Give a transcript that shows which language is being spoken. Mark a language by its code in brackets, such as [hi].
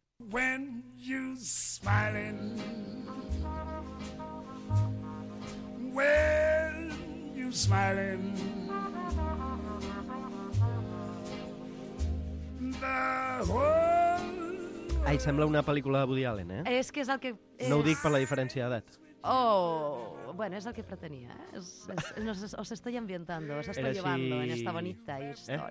[en] When you're smiling, when you're smiling, the whole [ca] Ai, sembla una pel·lícula de Woody Allen, eh? És que és el que... És... No ho dic per la diferència d'edat. Oh, bueno, és el que pretenia, eh? [es] Os estoy ambientando, os estoy llevando en esta bonita historia.